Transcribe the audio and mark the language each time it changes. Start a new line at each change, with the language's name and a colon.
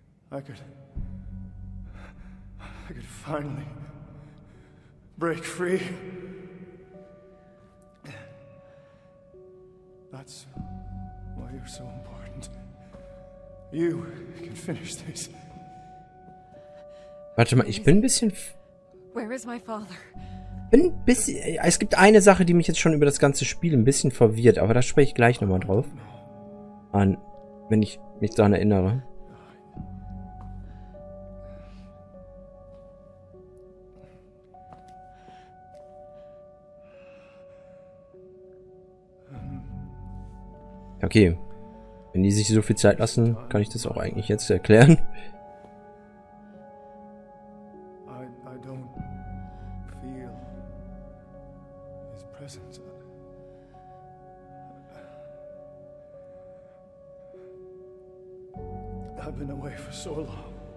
English: I could finally break free. That's why you're so important. You can finish this.
German: Warte mal, ich bin ein bisschen.
English: Where is my father?
German: Bin ein bisschen. Es gibt eine Sache, die mich jetzt schon über das ganze Spiel ein bisschen verwirrt, aber da spreche ich gleich nochmal drauf. An, wenn ich mich daran erinnere. Okay, wenn die sich so viel Zeit lassen, kann ich das auch eigentlich jetzt erklären.
English: I don't feel his presence. I've been away for so long.